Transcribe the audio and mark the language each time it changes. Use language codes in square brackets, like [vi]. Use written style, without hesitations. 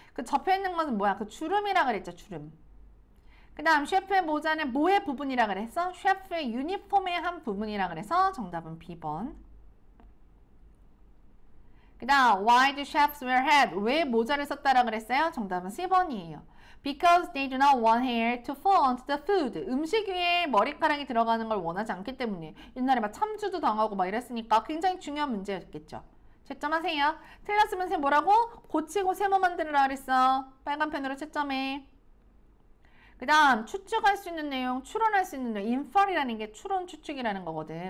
[ko] 그 접혀 있는 것은 뭐야? 그 주름이라 그랬죠, 주름. 그 다음, 셰프의 모자는 뭐의 부분이라 그랬어? 셰프의 유니폼의 한 부분이라 그래서 정답은 B번. 그 다음, [en] why do chefs wear hats? [ko] 왜 모자를 썼다라 그랬어요? 정답은 C번이에요. [en] Because they do not want hair to fall onto the food. [ko] 음식 위에 머리카락이 들어가는 걸 원하지 않기 때문에. 옛날에 막 참주도 당하고 막 이랬으니까 굉장히 중요한 문제였겠죠. 채점하세요. 틀렸으면 선생님 뭐라고? 고치고 세모 만들으라 그랬어. 빨간 펜으로 채점해. 그 다음 추측할 수 있는 내용, 추론할 수 있는 내용. 인퍼라는 게 추론, 추측이라는 거거든.